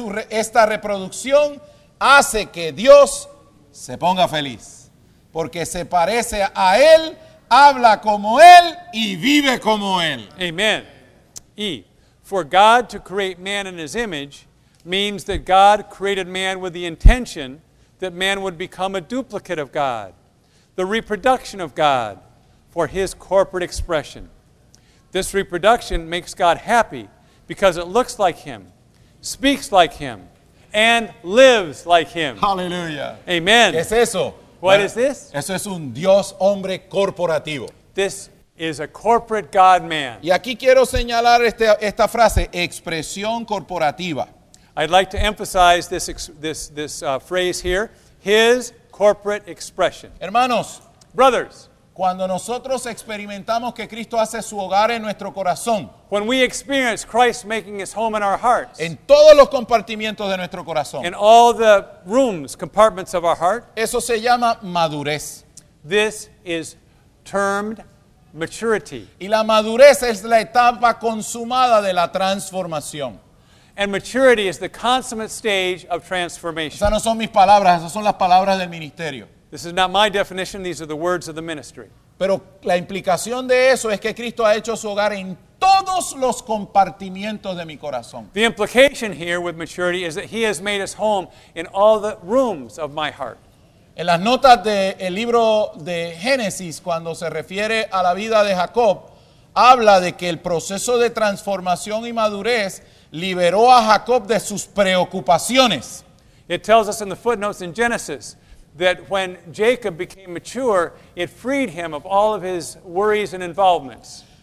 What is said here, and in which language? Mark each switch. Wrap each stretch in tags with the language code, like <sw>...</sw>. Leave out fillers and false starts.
<es>Esta reproducción hace que Dios se ponga feliz, porque se parece a él, habla como él y vive como él.</es> <en>Amen. E. For God to create man in his image means that God created man with the intention that man would become a duplicate of God, the reproduction of God for his corporate expression. This reproduction makes God happy because it looks like him, speaks like him, and lives like him. Hallelujah. Amen.</en> <es>¿Qué es eso?</es> <en>What is this?</en> <es>Eso es un Dios hombre corporativo.</es> <en>This is a corporate God-man.</en> <es>Y aquí quiero señalar esta frase, expresión corporativa.</es> <en>I'd like to emphasize this phrase here, his corporate expression.</en> <es>Hermanos.</es> <en>Brothers.</en> <es>Cuando nosotros experimentamos que Cristo hace su hogar en nuestro corazón,</es> <en>when we experience Christ making his home in our hearts,</en> <es>en todos los compartimientos de nuestro corazón,</es> <en>in all the rooms, compartments of our heart,</en> <es>eso se llama madurez.</es> <en>This is termed maturity.</en> <es>Y la madurez es la etapa consumada de la transformación.</es> <en>And maturity is the consummate stage of transformation.</en> <es>Esas no son mis palabras, esas son las palabras del ministerio.</es> <en>This is not my definition, these are the words of the ministry.</en> <es>Pero la implicación de eso es que Cristo ha hecho su hogar en todos los compartimientos de mi corazón.</es> <en>The implication here with maturity is that he has made his home in all the rooms of my heart.</en> <es>En las notas del libro de Génesis, cuando se refiere a la vida de Jacob, habla de que el proceso de transformación y madurez liberó a Jacob de sus preocupaciones.</es> <en>It tells us in the footnotes in Genesis that when Jacob became mature, it freed him of all of his worries and involvements.</en>